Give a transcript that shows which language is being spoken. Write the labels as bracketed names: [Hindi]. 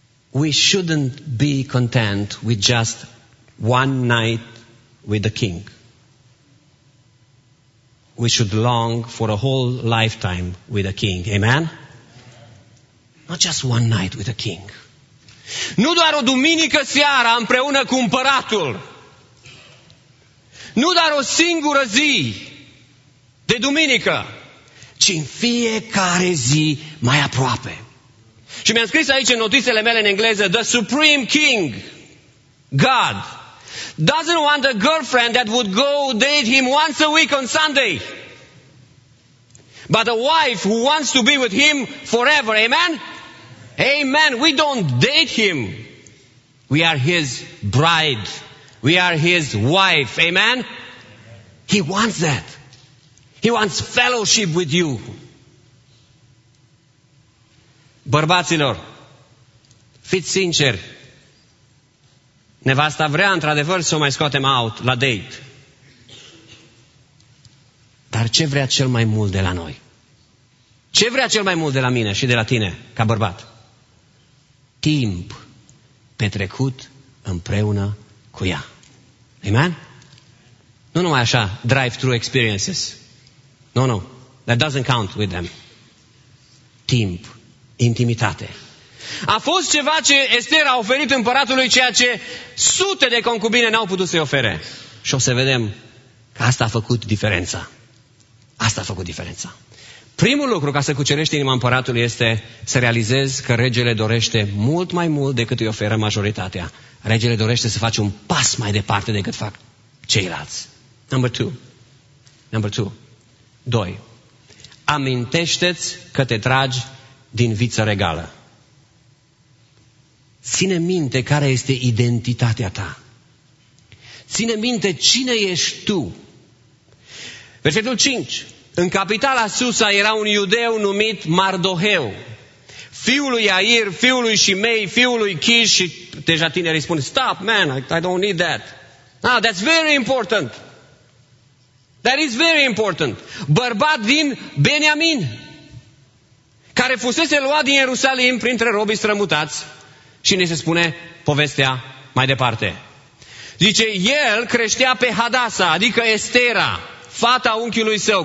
[English] We shouldn't be content with just one night with the king. We should long for a whole lifetime with the king. Amen? Not just one night with the king. [Romanian] Nu doar o duminică seara împreună cu împăratul. nu doar o singură zi de duminică, ci în fiecare zi mai aproape. Și mi-am scris aici în notițele mele în engleză, [English] The Supreme King, God, doesn't want a girlfriend that would go date him once a week on Sunday, but a wife who wants to be with him forever. Amen? Amen. We don't date him. We are his bride. We are his wife. Amen? He wants that. He wants fellowship with you. [Romanian] Bărbaților, fiți sinceri. Nevasta vrea într-adevăr să o mai scoatem out la date. Dar ce vrea cel mai mult de la noi? Ce vrea cel mai mult de la mine și de la tine, ca bărbat? Timp petrecut împreună cu ea. Amen? Nu numai așa, [English] drive-thru experiences. No, no, that doesn't count with them. [Romanian] Timp, intimitate. A fost ceva ce Ester a oferit împăratului, ceea ce sute de concubine n-au putut să-i ofere. Și o să vedem că asta a făcut diferența. Asta a făcut diferența. Primul lucru ca să cucerești inima împăratului este să realizezi că regele dorește mult mai mult decât îi oferă majoritatea. Regele dorește să faci un pas mai departe decât fac ceilalți. [English] Number two. [Romanian] Doi. Amintește-ți că te tragi din viță regală. Ține minte care este identitatea ta. Ține minte cine ești tu. Versetul 5. În capitala Susa era un iudeu numit Mardoheu, fiul lui Iair, fiul lui Shimei, fiul lui Kish. Și deja tinerii spun, [English] stop man, I don't need that. Ah, that's very important. That is very important. [Romanian] Bărbat din Beniamin, care fusese luat din Ierusalim printre robii strămutați. Și ne se spune povestea mai departe. Zice, el creștea pe Hadasa, adică Estera, fata unchiului său.